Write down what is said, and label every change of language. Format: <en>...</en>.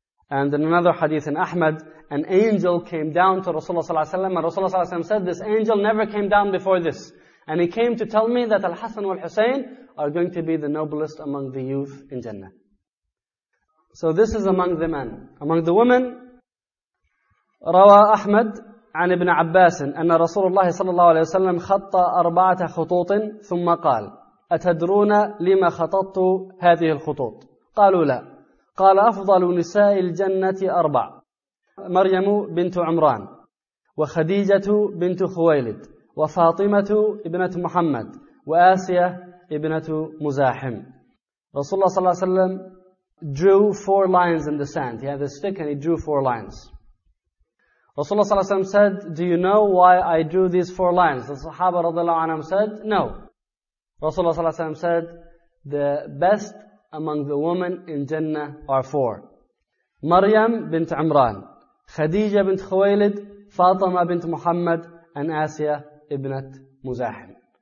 <en>And in another hadith in Ahmad, an angel came down to Rasulullah ﷺ, and Rasulullah ﷺ said, this angel never came down before this. And he came to tell me that Al-Hasan wal-Husayn are going to be the noblest among the youth in Jannah. So this is among the men. Among the women, Rawa Ahmad</en> <ar>عن ابن عباس أن رسول الله صلى الله عليه وسلم خط أربعة خطوط ثم قال أتدرون لما خططت هذه الخطوط؟ قالوا لا. قال أفضل نساء الجنة أربع: مريم بنت عمران، وخديجة بنت خويلد، وفاطمة ابنة محمد، وآسية ابنة مزاحم. رسول الله صلى الله عليه وسلم</ar> <en>drew four lines in the sand. He had a stick and he drew four lines. Rasulullah sallallahu alayhi wa sallam said, do you know why I drew these four lines? The Sahaba radiallahu anhu said, no. Rasulullah sallallahu alayhi wa sallam said, the best among the women in Jannah are four: Maryam bint Imran, Khadija bint Khuwaylid, Fatima bint Muhammad, and Asiya ibnat Muzahim.</en>